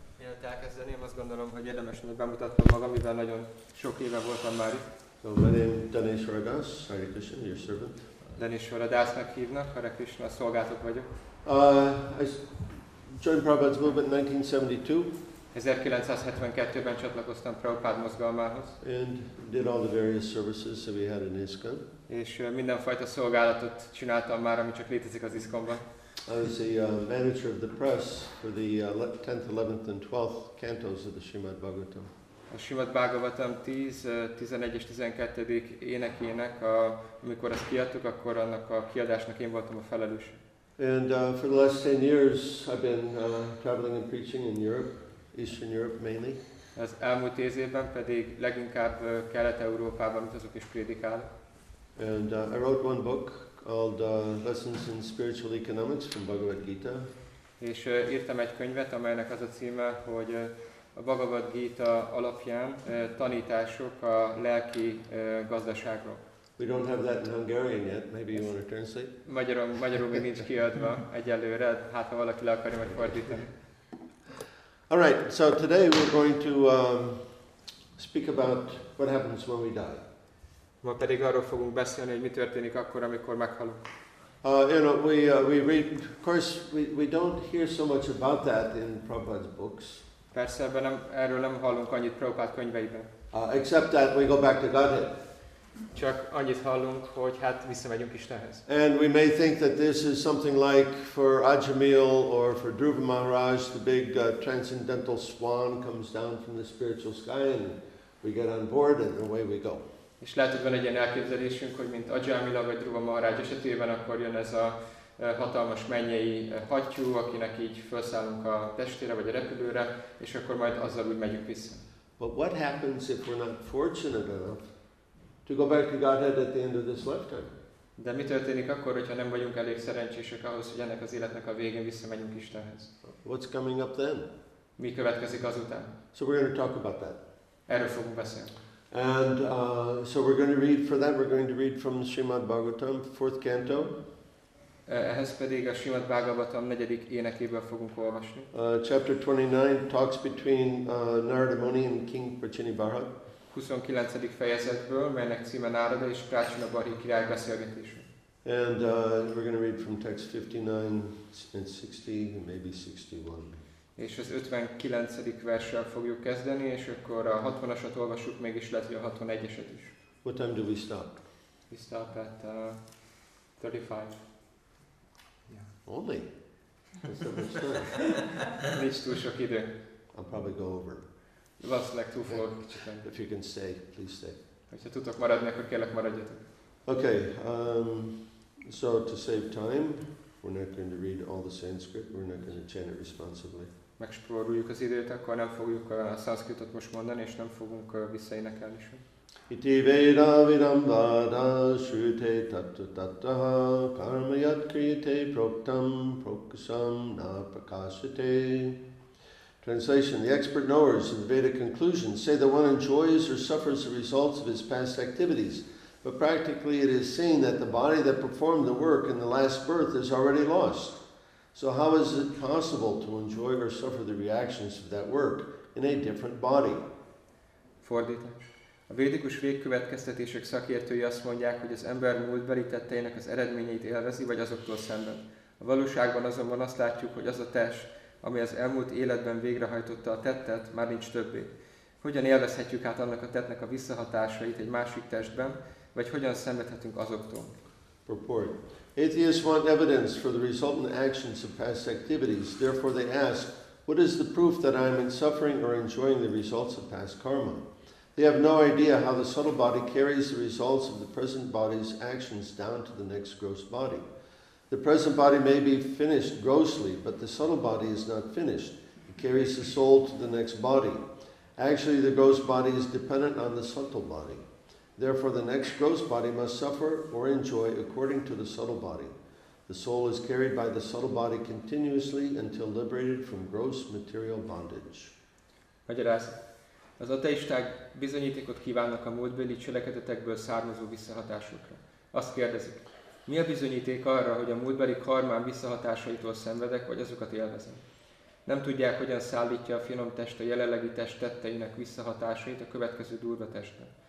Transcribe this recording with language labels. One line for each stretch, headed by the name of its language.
Hungarian: Én ott elkezdeni, azt gondolom, hogy érdemes meg bemutatnom magam, mivel nagyon sok éve voltam már itt.
English: So my name is Danish Ragas, Hare Krishna, your servant.
Hungarian: Danish Ragasnak hívnak, Hare Krishna, szolgálatok vagyok.
English: I joined Prabhupada's movement in 1972.
Hungarian: 1972-ben csatlakoztam Prabhupád mozgalmához.
English: And did all the various services that we had in ISKCON.
Hungarian: És mindenfajta szolgálatot csináltam már, ami csak létezik az ISKCON-ban.
English: I was the manager of the press for the 10th, 11th, and 12th cantos of the Srimad Bhagavatam.
Hungarian: A Srimad Bhagavatam 10, 11 és 12. énekének, amikor ezt kiadtuk, akkor annak a kiadásnak én voltam a felelős.
English: And for the last 10 years I've been traveling and preaching in Europe, Eastern Europe mainly.
Hungarian: Az elmúlt 10 évben pedig leginkább Kelet-Európában utazok és prédikálok.
English: And I wrote one book called Lessons in Spiritual Economics from Bhagavad Gita.
Hungarian: És írtam egy könyvet, amelynek az a címe, hogy a Bhagavad Gita alapján tanítások a lelki gazdaságról.
English: We don't have that in Hungarian yet. Maybe you want to translate?
Hungarian: Magyarul még nincs kiadva egyelőre, hát ha valaki le akarja, majd fordítani.
English: All right, so today we're going to speak about what happens when we die.
Hungarian: Ma pedig arról fogunk beszélni, hogy mi történik akkor, amikor meghalunk.
English: We don't hear so much about that in Prabhupada's books.
Hungarian: Persze, ebben erről nem hallunk annyit Prabhupád könyveiben.
English: Except that we go back to Godhead.
Hungarian: Csak annyit hallunk, hogy hát visszamegyünk Istenhez.
English: And we may think that this is something like for Ajamil or for Dhruva Maharaj, the big transcendental swan comes down from the spiritual sky and we get on board and away we go.
Hungarian: És lehet, hogy van egy ilyen elképzelésünk, hogy mint Ajamila vagy Dhruva Maharaj esetében, akkor jön ez a hatalmas mennyei hattyú, akinek így felszállunk a testére vagy a repülőre, és akkor majd azzal úgy megyünk vissza.
English: But what happens if we're not fortunate enough to go back to Godhead at the end of this lifetime?
Hungarian: De mi történik akkor, hogyha nem vagyunk elég szerencsések ahhoz, hogy ennek az életnek a végén visszamegyünk Istenhez?
English: What's coming up then?
Hungarian: Mi következik azután?
English: So we're going to talk about that.
Hungarian: Erről fogunk beszélni.
English: And so we're going to read for that. We're going to read from the Srimad Bhagavatam, fourth canto.
Hungarian: Ehhez pedig a Srimad Bhagavatam negyedik énekéből fogunk olvasni.
English: Chapter 29 talks between Narada Muni and King Prachinibharha.
Hungarian: 29. fejezetből, melynek címe Narada és Prachinibharha király beszélgetése.
English: And we're going to read from text 59 and 60, and maybe 61.
Hungarian: És az 59. verssel fogjuk kezdeni, és akkor a 60-asat olvassuk, mégis lehet, hogy a 61-eset is.
English: What time do we stop? We stop at 35. Yeah. Only? That's
Hungarian: nincs túl sok idő.
English: I'll probably go over.
Hungarian: Valószínűleg túl fogok kicsiten.
English: If you can stay, please stay.
Hungarian: Ha tudtok maradni, akkor kérlek maradjatok.
English: Okay, so to save time, we're not going to read all the Sanskrit, we're not going to chant it responsibly.
Hungarian: Megspóroljuk az időt, akkor nem fogjuk a szanszkritot most mondani, és nem fogunk visszaénekelni sem.
Sanskrit: Iti veda vidam vada srute tattva tattvaḥ karma yat kriyate proktam proksam na prakāśate.
English: Translation: the expert knowers of the Vedic conclusion say that one enjoys or suffers the results of his past activities, but practically it is seen that the body that performed the work in the last birth is already lost. So how is it possible to enjoy or suffer the reactions of that work in a different body?
Hungarian: Fordítás. A védikus végkövetkeztetések szakértői azt mondják, hogy az ember múltbeli tetteinek az eredményeit élvezi, vagy azoktól szenved. A valóságban azonban azt látjuk, hogy az a test, ami az elmúlt életben végrehajtotta a tettet, már nincs többé. Hogyan élvezhetjük át annak a tettnek a visszahatásait egy másik testben, vagy hogyan szenvedhetünk azoktól?
English: Purport. Atheists want evidence for the resultant actions of past activities. Therefore they ask, what is the proof that I am in suffering or enjoying the results of past karma? They have no idea how the subtle body carries the results of the present body's actions down to the next gross body. The present body may be finished grossly, but the subtle body is not finished. It carries the soul to the next body. Actually, the gross body is dependent on the subtle body. Therefore, the next gross body must suffer or enjoy according to the subtle body. The soul is carried by the subtle body continuously until liberated from gross material bondage.
Hungarian: Magyarázat. Az ateisták bizonyítékot kívánnak a múltbeli cselekedetekből származó visszahatásokra. Azt kérdezik, Mi a bizonyíték arra, hogy a múltbeli karmán visszahatásaitól szenvedek, vagy azokat élvezem? Nem tudják, hogyan szállítja a finom test a jelenlegi test tetteinek visszahatásait a következő durva testnek.